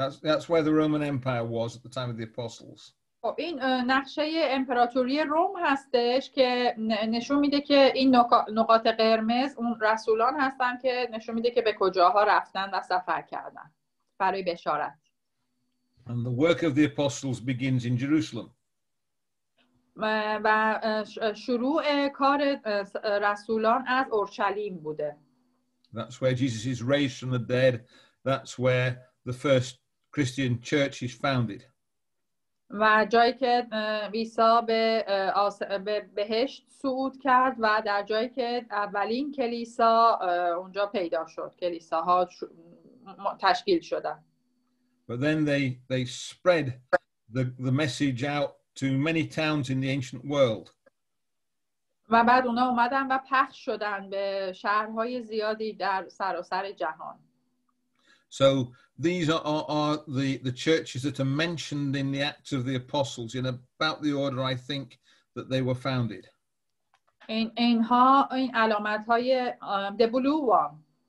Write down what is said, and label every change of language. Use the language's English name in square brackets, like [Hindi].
[English] That's where the Roman Empire was at the time of the apostles. [Persian] خب این نقشه امپراتوری روم هستش که نشون میده که این نقاط قرمز اون رسولان هستن که نشون میده که به کجاها رفتن و سفر کردن برای بشارت. [English] And the work of the apostles begins in Jerusalem. [Persian] و شروع کار رسولان از اورشلیم بوده. [English] That's where Jesus is raised from the dead. That's where the first Christian church is founded. [Persian] و جایی که عیسی به بهشت صعود کرد و در جایی که اولین کلیسا اونجا پیدا شد کلیساها تشکیل شدند. [English] But then they spread the message out to many towns in the ancient world. [Persian] و بعد اونا اومدن و پخش شدن به شهرهای زیادی در سراسر جهان. [English] So these are the churches that are mentioned in the Acts of the Apostles in about the order I think that they were founded. In [Persian] علامت‌های [English] the blue one.